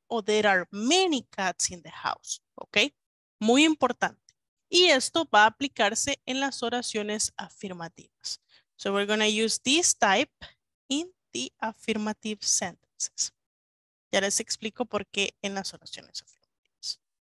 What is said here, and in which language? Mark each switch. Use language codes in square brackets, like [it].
[en] O there are many cats in the house. [es] ¿Ok? Muy importante. Y esto va a aplicarse en las oraciones afirmativas. [en] So we're going to use this type in the affirmative sentences. [es] Ya les explico por qué en las oraciones afirmativas.